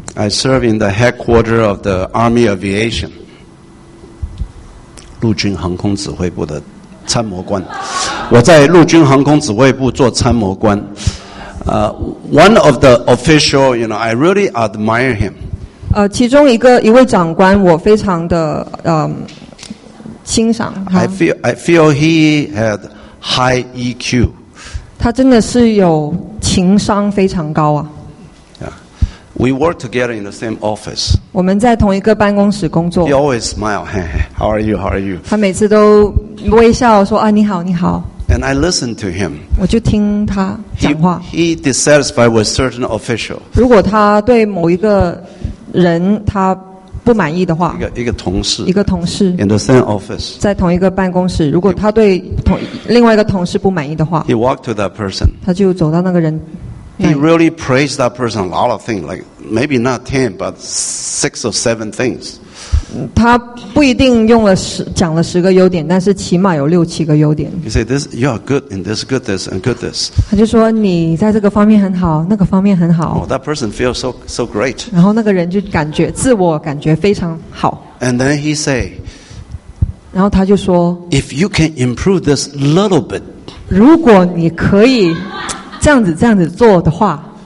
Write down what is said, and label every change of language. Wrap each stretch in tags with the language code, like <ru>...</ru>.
<en>I served in the headquarters of the Army Aviation.</en> <zh>陆军航空指挥部的参谋官，我在陆军航空指挥部做参谋官。</zh> <en>One of the official, you know, I really admire him.</en> <zh>其中一位长官，我非常的欣赏他。</zh> <en>I feel he had high EQ.</en> <zh>他真的是有情商非常高啊。</zh> <en>Yeah, we work together in the same office.</en> <zh>我们在同一个办公室工作。</zh> <en>He always smile. Hey, how are you? How are you?</en> <zh>他每次都微笑说啊，你好，你好。</zh> <en>And I listened to him.</en> <zh>我就听他讲话。</zh> <en>He dissatisfied with certain official.</en> <zh>如果他对某一个人他不满意的话，一个同事</zh> <en>in the same office,</en> <zh>在同一个办公室，如果他对另外一个同事不满意的话，</zh> <en>he walked to that person.</en> <zh>他就走到那个人。</zh> <en>He really praised that person a lot of things, like maybe not 10, but 6 or 7 things.</en> <zh>他不一定用了讲了十个优点，但是起码有六七个优点。</zh> <en>He said, you are good in this, good this, and good this.</en> <zh>他就说你在这个方面很好，那个方面很好。</zh> <en>Oh, that person feels so great.</en> <zh>然后那个人就自我感觉非常好。</zh> <en>And then he say,</en> <zh>然后他就说，</zh> <en>if you can improve this little bit,</en> <zh>如果你可以这样子做的话，</zh>